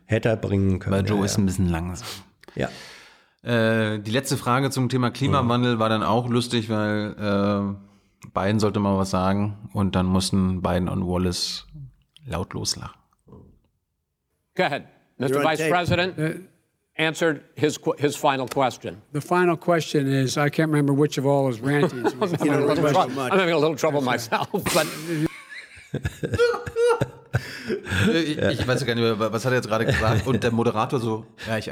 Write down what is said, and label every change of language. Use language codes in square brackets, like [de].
[de] Hätte er bringen können. Weil Joe ist ein bisschen langsam. Ja. Die letzte Frage zum Thema Klimawandel war dann auch lustig, weil Biden sollte mal was sagen und dann mussten Biden und Wallace lautlos lachen. [en] Go ahead, Mr. Vice President. Answered his final question. The final question is, I can't remember which of all his rantings. I'm having a little trouble myself. But [de] ich weiß gar nicht mehr, was hat er jetzt gerade gesagt? Und der Moderator so, ja, ich